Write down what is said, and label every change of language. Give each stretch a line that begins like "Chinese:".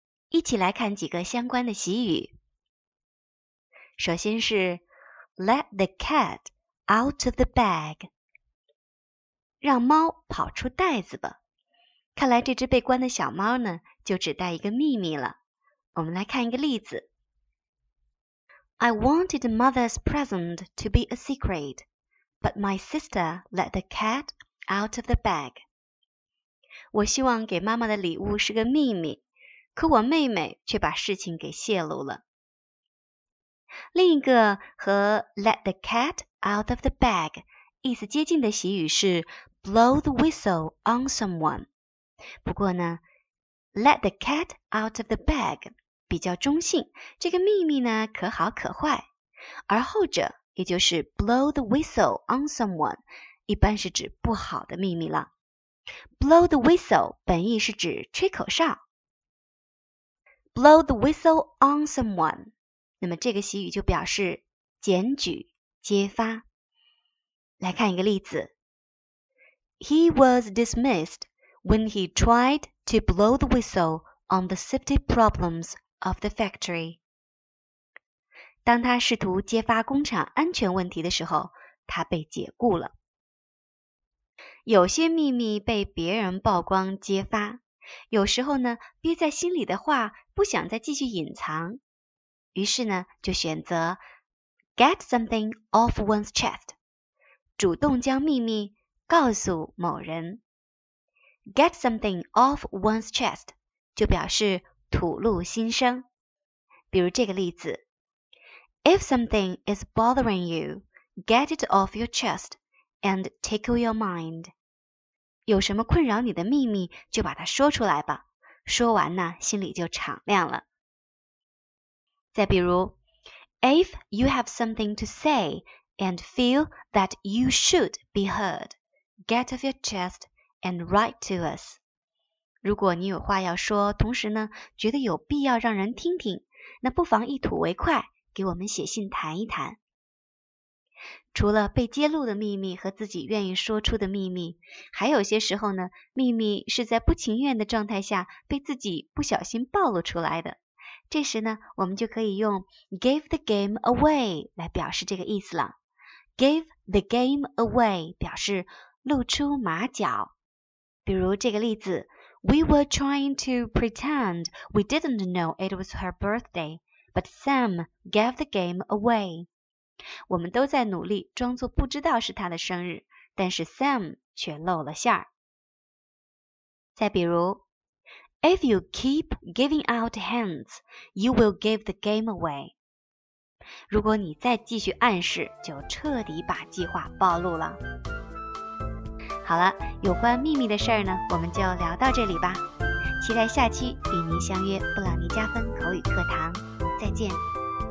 Chinese: 一起来看几个相关的习语。首先是 Let the cat out of the bag， 让猫跑出袋子吧。看来这只被关的小猫呢，就只带一个秘密了。我们来看一个例子。
English: I wanted mother's present to be a secret, but my sister let the cat out of the bag.
Chinese: 我希望给妈妈的礼物是个秘密，可我妹妹却把事情给泄露了。另一个和 let the cat out of the bag 意思接近的习语是 blow the whistle on someone。不过呢， let the cat out of the bag比较中性，这个秘密呢可好可坏，而后者也就是 blow the whistle on someone 一般是指不好的秘密了。 blow the whistle 本意是指吹口哨， blow the whistle on someone， 那么这个习语就表示检举揭发。来看一个例子。
English: He was dismissed when he tried to blow the whistle on the safety problemsof the factory.
Chinese: 当他试图揭发工厂安全问题的时候，他被解雇了。有些秘密被别人曝光揭发，有时候呢，憋在心里的话不想再继续隐藏，于是呢，就选择 get something off one's chest， 主动将秘密告诉某人。
English: get something off one's chest
Chinese: 就表示吐露心声，比如这个例子
English: If something is bothering you, get it off your chest and tickle your mind.
Chinese: 有什么困扰你的秘密，就把它说出来吧。说完呢，心里就敞亮了。再比如
English: If you have something to say and feel that you should be heard, get off your chest and write to us.
Chinese: 如果你有话要说，同时呢，觉得有必要让人听听，那不妨一吐为快，给我们写信谈一谈。除了被揭露的秘密和自己愿意说出的秘密，还有些时候呢，秘密是在不情愿的状态下被自己不小心暴露出来的。这时呢，我们就可以用 give the game away 来表示这个意思了。 give the game away 表示露出马脚。比如这个例子，
English: We were trying to pretend we didn't know it was her birthday, but Sam gave the game away.
Chinese: 我们都在努力装作不知道是她的生日，但是 Sam 却露了馅儿。再比如
English: ,If you keep giving out hints, you will give the game away.
Chinese: 如果你再继续暗示，就彻底把计划暴露了。好了，有关秘密的事儿呢，我们就聊到这里吧。期待下期与您相约布朗尼加分口语课堂，再见。